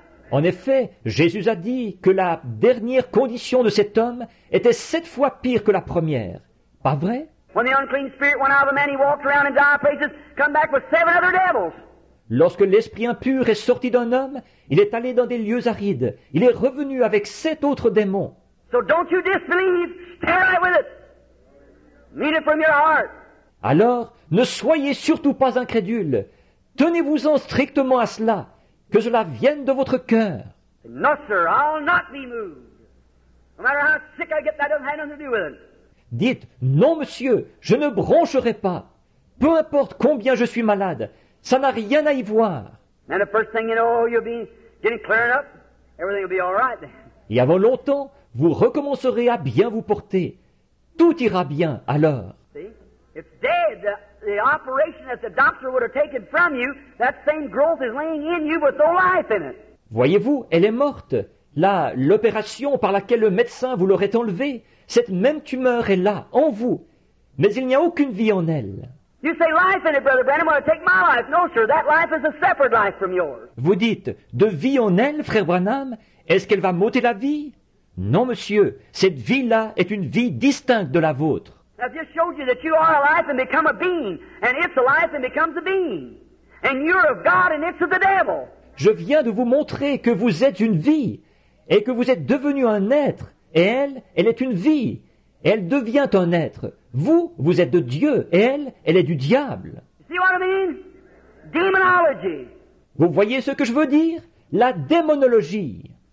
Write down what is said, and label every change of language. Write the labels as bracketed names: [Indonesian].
[French] En effet, Jésus a dit que la dernière condition de cet homme était 7 fois pire que la première. Pas vrai? [English] When the unclean spirit went out of a man, he walked around in dire places, come back with 7 other devils. [French] Lorsque l'esprit impur est sorti d'un homme, il est allé dans des lieux arides. Il est revenu avec 7 autres démons. [English] So don't you disbelieve. Stay right with it. Meet it from your heart. [French] Alors, ne soyez surtout pas incrédule. Tenez-vous-en strictement à cela, que cela vienne de votre cœur. [English] No, sir, I'll not be moved. No matter how sick I get, that doesn't have nothing to do with it. [French] Dites, non, monsieur, je ne broncherai pas. Peu importe combien je suis malade, ça n'a rien à y voir. [English] And the first thing you know, you'll be getting cleared up. Everything will be all right. [French] Et avant longtemps, vous recommencerez à bien vous porter. Tout ira bien alors. [English] See? It's dead. The operation that the doctor would have taken from you, that same growth is laying in you with no life in it. [French] Voyez-vous, elle est morte. Là, l'opération par laquelle le médecin vous l'aurait enlevée, cette même tumeur est là, en vous. Mais il n'y a aucune vie en elle. [English] You say life in it, Brother Branham, want to take my life. No, sir, that life is a separate life from yours. [French] Vous dites, de vie en elle, Frère Branham, est-ce qu'elle va m'ôter la vie? Non, monsieur, cette vie-là est une vie distincte de la vôtre. [English] I've just showed you that you are alive and become a being, and it's alive and becomes a being. And you're of God and it's of the devil. [French] Je viens de vous montrer que vous êtes une vie, et que vous êtes devenu un être, et elle, elle est une vie. Elle devient un être. Vous, vous êtes de Dieu. Et elle, elle est du diable. See what I mean? Demonology. Vous voyez ce que je veux dire? La démonologie.